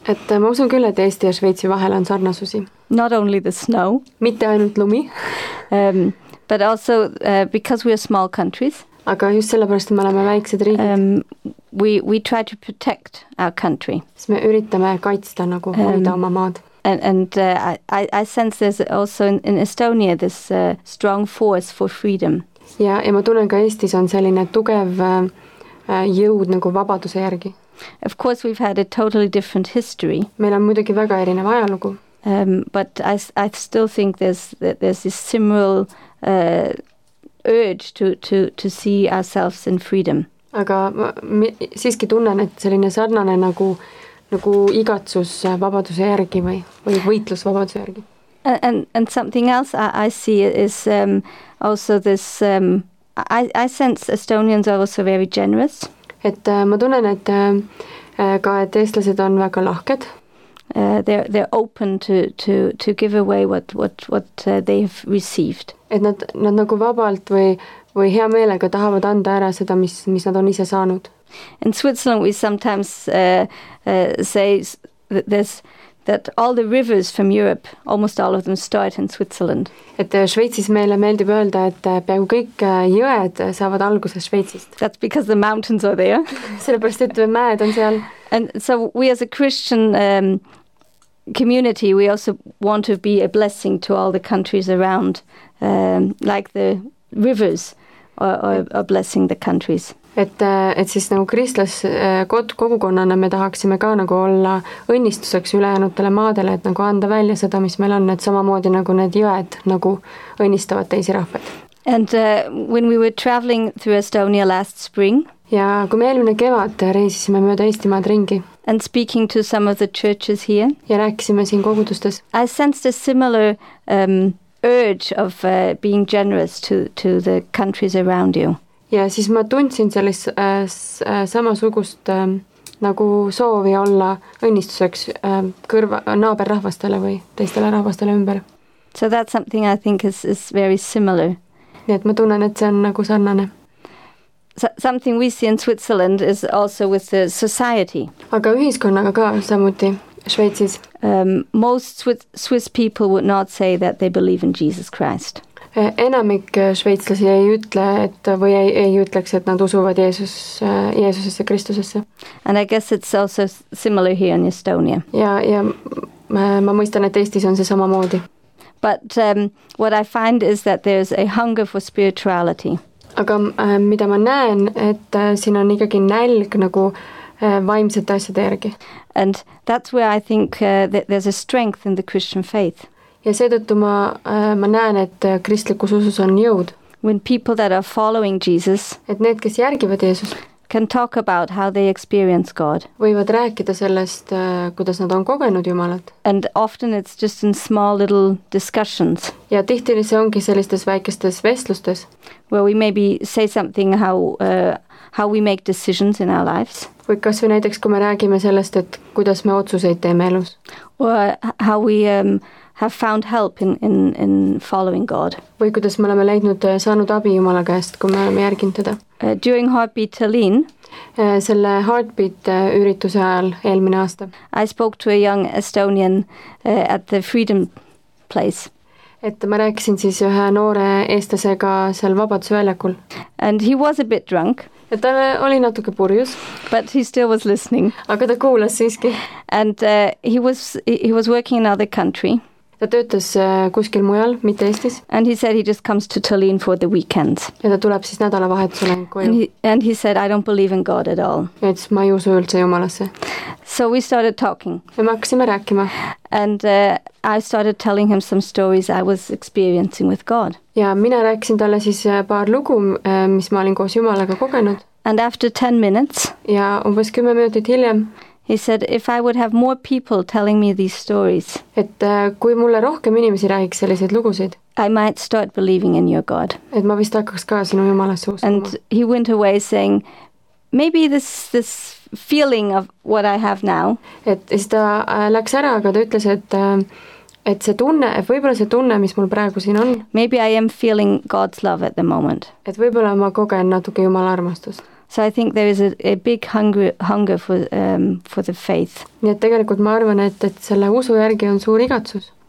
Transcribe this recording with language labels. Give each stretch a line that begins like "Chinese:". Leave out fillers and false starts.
Estonian: Et ma usun küll, et Eesti ja Sveitsi vahel on sarnasusi.
English: Not only the snow.
Estonian: Mitte ainult lumi.
English: But also because we are small countries.
Estonian: Aga just sellepärast, et me oleme väiksed riigid.
English: We try to protect our country.
Estonian: Siis me üritame kaitsta nagu hoida oma maad.
English: And I sense there's also in Estonia this strong force for freedom.
Estonian: Ja ma tunnen ka Eestis on selline tugev jõud nagu vabaduse järgi.
English: Of course we've had a totally different history.
Estonian: Meil on muidugi väga erinev ajalugu.
English: But I still think there's this similar urge to see ourselves in freedom.
Estonian: Aga siiski tunnen, et selline sarnane nagu igatsus vabaduse järgi või võitlus vabaduse järgi.
English: And something else I see is also this I sense Estonians are also very generous.
Estonian: Et ma tunnen, et ka et eestlased on väga lahked.
English: They're open to give away what they have received.
Estonian: Et nad nagu vabalt või hea meelega tahavad anda ära seda, mis nad on ise saanud.
English: In Switzerland we sometimes say that all the rivers from Europe, almost all of them start in Switzerland.
Estonian: Et Sveitsis meile meeldib öelda, et peaaegu kõik jõed saavad alguses Sveitsist.
English: That's because the mountains are there.
Estonian: Sellepärast, et mäed on seal.
English: And so we as a Christian community, we also want to be a blessing to all the countries around, like the rivers are blessing the countries.
Estonian: Et siis nagu kristlas kogukonnana me tahaksime ka nagu olla õnnistuseks ülejäänutele maadele, et nagu anda välja seda, mis meil on, et samamoodi nagu need jõed nagu õnnistavad teisi rahvad.
English: And when we were traveling through Estonia last spring.
Estonian: Ja kui me eelmine kevad reisisime mööda Eestimaad ringi.
English: And speaking to some of the churches here.
Estonian: Ja rääkisime siin kogudustes.
English: I sensed a similar urge of being generous to the countries around you.
Estonian: Ja siis ma tundsin sellist samasugust nagu soovi olla õnnistuseks naaberrahvastele või teistele rahvastele ümber.
English: So that's something I think is very similar.
Estonian: Nii et ma tunnen, et see on nagu sarnane.
English: Something we see in Switzerland is also with the society.
Estonian: Aga ühiskonnaga ka samuti Šveitsis.
English: Most Swiss people would not say that they believe in Jesus Christ.
Estonian: Enamik šveitslasi ei ütle, et või ei ütleks, et nad usuvad Jeesusesse Kristusesse.
English: And I guess it's also similar here in Estonia.
Estonian: Ja ma mõistan, et Eestis on see samamoodi.
English: But what I find is that there's a hunger for spirituality.
Estonian: Aga mida ma näen, et siin on ikkagi nälg nagu vaimsete asjade järgi.
English: And that's where I think that there's a strength in the Christian faith.
Estonian: Ja seetõttu ma näen, et kristlikus usus on jõud.
English: When people that are following Jesus,
Estonian: et need, kes järgivad Jeesus,
English: can talk about how they experience God.
Estonian: Võivad rääkida sellest, kuidas nad on kogenud Jumalat.
English: And often it's just in small little discussions.
Estonian: Ja tihti see ongi sellistes väikestes vestlustes.
English: Where we maybe say something how we make decisions in our lives.
Estonian: Või kas või näiteks, kui me räägime sellest, et kuidas me otsuseid teeme elus.
English: Or how we have found help in following God.
Estonian: Või kuidas me oleme leidnud saanud abi Jumala käest, kui me oleme järginud teda.
English: During Heartbeat Tallinn.
Estonian: Selle Heartbeat ürituse ajal eelmine aasta.
English: I spoke to a young Estonian at the Freedom Place.
Estonian: Et ma rääkisin siis ühe noore eestlasega seal Vabaduse väljakul.
English: And he was a bit drunk.
Estonian: Ja ta oli natuke purjus.
English: But he still was listening.
Estonian: Aga ta kuulas siiski.
English: And he was working in another country.
Estonian: Ta töötas kuskil mujal, mitte Eestis.
English: And he said he just comes to Tallinn for the weekends.
Estonian: Ja ta tuleb siis nädala vahetusele koju.
English: And he said, I don't believe in God at all.
Estonian: Ja siis ma ei usu üldse Jumalasse.
English: So we started talking.
Estonian: Ja me hakkasime rääkima.
English: And I started telling him some stories I was experiencing with God.
Estonian: Ja mina rääksin talle siis paar lugu, mis ma olin koos Jumalaga kogenud.
English: And after 10 minutes.
Estonian: Ja umbes 10 minutit hiljem.
English: He said, if I would have more people telling me these stories.
Estonian: Et kui mulle rohkem inimesi räägiks sellised lugusid.
English: I might start believing in your God.
Estonian: Et ma vist hakkaks ka sinu Jumalasse uskuma.
English: And he went away saying, maybe this feeling of what I have now.
Estonian: Et siis ta läks ära, aga ta ütles, et see tunne, et võibolla see tunne, mis mul praegu siin on.
English: Maybe I am feeling God's love at the moment.
Estonian: Et võibolla ma kogen natuke Jumala armastust.
English: So I think there is a big hunger for the faith.
Estonian: Nii et tegelikult ma arvan, et selle usu järgi on suur igatsus.